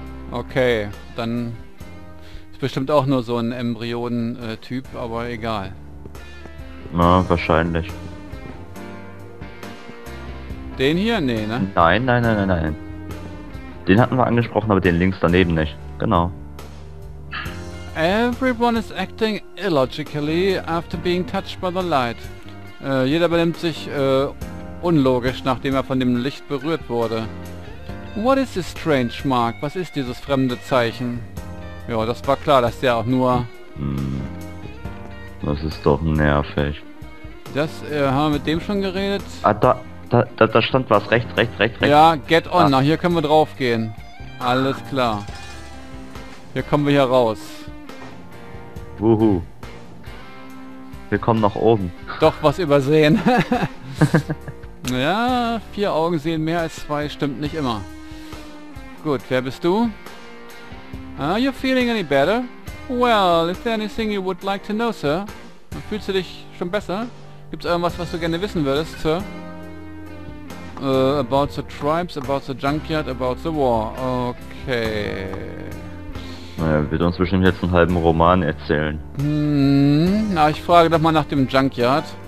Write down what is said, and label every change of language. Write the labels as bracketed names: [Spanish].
[German] Okay, dann ist bestimmt auch nur so ein Embryonen-Typ, aber egal. Na, wahrscheinlich. Den hier? Nee, ne? Nein. Den hatten wir angesprochen, aber den links daneben nicht. Genau. [English] Everyone is acting illogically after being touched by the light. [German] Jeder benimmt sich unlogisch, nachdem er von dem Licht berührt wurde. [English] What is this strange mark? [German] Was ist dieses fremde Zeichen? Ja, das war klar, dass der auch nur... Das ist doch nervig. Das, haben wir mit dem schon geredet? Ah, da stand was. Rechts. Ja, [English] get on. [German] Ah. Na, hier können wir drauf gehen. Alles klar. Hier kommen wir hier raus. Wuhu. Wir kommen nach oben. Doch, was übersehen. Ja, vier Augen sehen mehr als zwei. Stimmt nicht immer. Gut, wer bist du? [English] Are you feeling any better? Well, is there anything you would like to know, sir? [German] Fühlst du dich schon besser? Gibt's irgendwas, was du gerne wissen würdest, sir? [English] About the tribes, about the junkyard, about the war. [German] Okay. Naja, wird uns bestimmt jetzt einen halben Roman erzählen. Na, ich frage doch mal nach dem Junkyard.